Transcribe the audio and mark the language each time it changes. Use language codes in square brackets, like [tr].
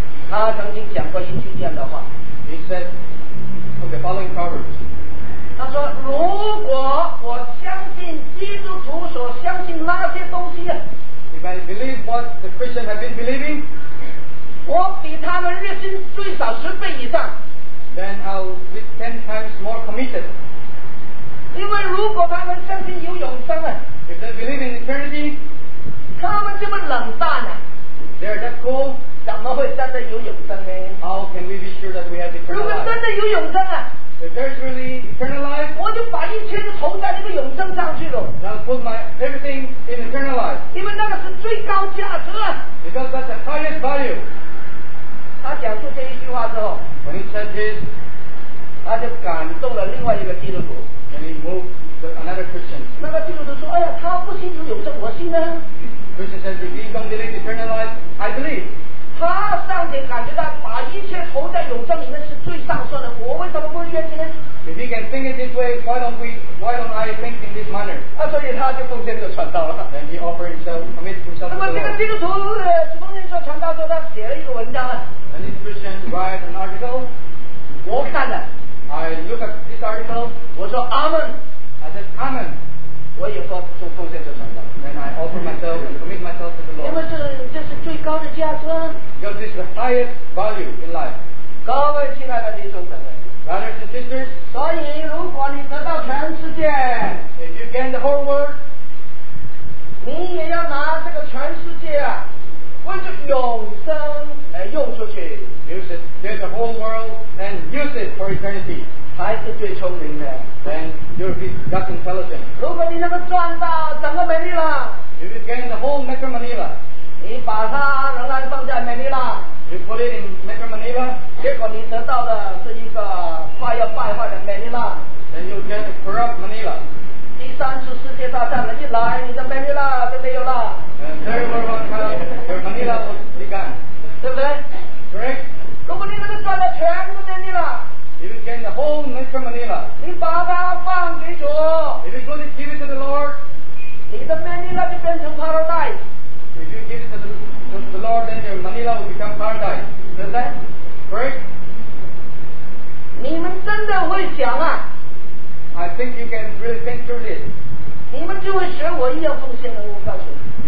[zh] 他曾经讲过一句这样的话 [en] ，He said the following proverb。 [zh] 他说：“如果我相信基督徒所相信那些东西、啊、 [en] ，If I believe what the Christian have been believing， [zh] 我比他们热心最少十倍以上 [en] ，Then I'll be 10 times more committed。 [zh] 因为如果他们相信有永生啊 [en] ，If they believe in eternity， [zh] 他们这么冷淡啊 [en] ，They're that cool， [zh] 怎么会真的有永生呢 [en] ？How can we be sure that we have eternal life？ [zh] 如果真的有永生啊。” [en] If there's really eternal life, [zh] 我就把一切都投在那个永生上去了。 [en] I'll put my everything in eternal life. [zh] 因为那个是最高价值啊。 [en] Because that's the highest value. [zh] 他讲出这一句话之后 [en] ，When he said this, [zh] 他就感动了另外一个基督徒。 [en] And he moved with another Christian. [zh] 那个基督徒说：“哎呀，他不信有永生，我信呢。” [en] Christian said, "If you don't believe eternal life, I believe." [zh] 他上天感觉到把一切投在永生里面是最上算的，我为什么不愿意呢 [en] ？If he can think it this way, why don't I think in this manner？ [zh] 啊，所以他就奉献给传道了。 [en] Then he offered himself, committed himself. [zh] 那么这个基督徒奉献说传道说他写了一个文章啊。 [en] And this Christian write an article. [zh] 我看了。 [en] I look at this article. [zh] 我说阿门。 [en] I said amen. [zh] 我也奉献给传道。 [en] Then I offer myself and commit myself to the Lord. [zh] 因为这是最高的价值。 [en] Because this is the highest value in life. [zh] 各位亲爱的弟兄姊妹 [en] brothers and sisters. [zh] 所以如果你得到全世界 [en] if you gain the whole world, [zh] 你也要拿这个全世界啊，为这永生来用出去 [en] Use it. Get the whole world and use it for eternity. [zh] 才是最聪明的 [en] Then you'll be that intelligent. [zh] 如果你能够赚到整个美丽了 [en] if you gain the whole Metro Manila. [zh] 你把它仍然放在美尼拉 [en] You put it in Metro Manila [zh] 结果你得到的是一个快要败坏的美尼拉 [en] Then you get a corrupt Manila [zh] 第三次世界大战了一来你的美尼拉就没有了 [en] And third world war comes Your Manila will be gone [zh] 对不对 [en] Correct [zh] 如果你能够赚到全部美尼拉 [en] You get the whole Metro Manila [zh] 你把它放给主 [en] If you put it, give it to the Lord [zh] 你的美尼拉就变成 paradise [en] If you give it to the Lord, then your Manila will become paradise. Is that correct? [zh] 你们真的会想啊 [en] I think you can really think through this. [zh] 你们就会学我一样奉献的，我告诉你。